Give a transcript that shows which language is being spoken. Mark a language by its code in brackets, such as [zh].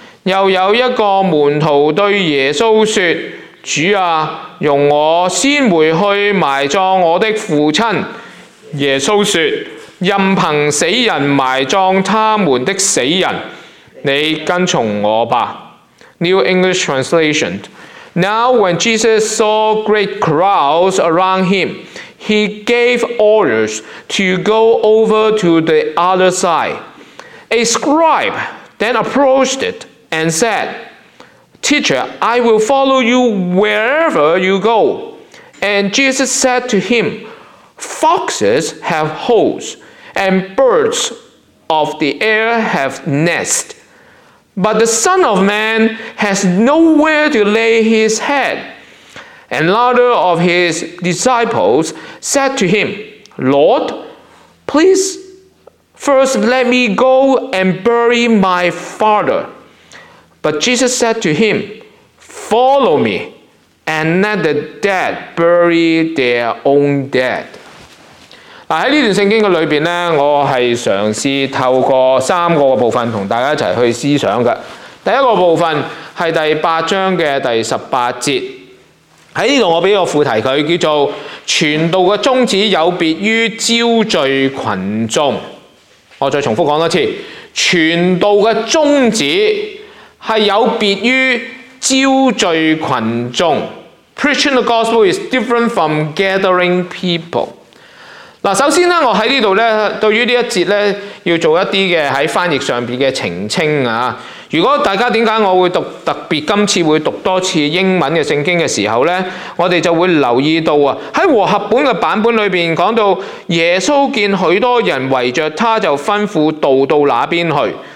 [zh] 又有一個門徒對耶穌說：主啊，容我先回去埋葬我的父親。耶穌說：任憑死人埋葬他們的死人，你跟從我吧。 [en] New English Translation。 Now when Jesus saw great crowds around him, he gave orders to go over to the other side. A scribe then approached it and said, Teacher, I will follow you wherever you go. And Jesus said to him, Foxes have holes, and birds of the air have nests. But the Son of Man has nowhere to lay his head. Another of his disciples said to him, Lord, please first let me go and bury my father. But Jesus said to him, Follow me, and let the dead bury their own dead. [zh] 在這段聖經裏面，我是嘗試透過三個部分和大家一起去思想的。第一個部分是第八章的第十八節，在這裡我給一個副題，它叫做傳道的宗旨有別於招聚群眾。我再重複講一次，傳道的宗旨是有別於招聚群眾。 [en] Preaching the gospel is different from gathering people。 [zh] 首先我在這裡對於這一節要做一些在翻譯上的澄清。如果大家為什麼我會讀特別今次會讀多次英文的聖經的時候，我們就會留意到在和合本的版本裡面講到耶穌見許多人圍著他，就吩咐道到那邊去。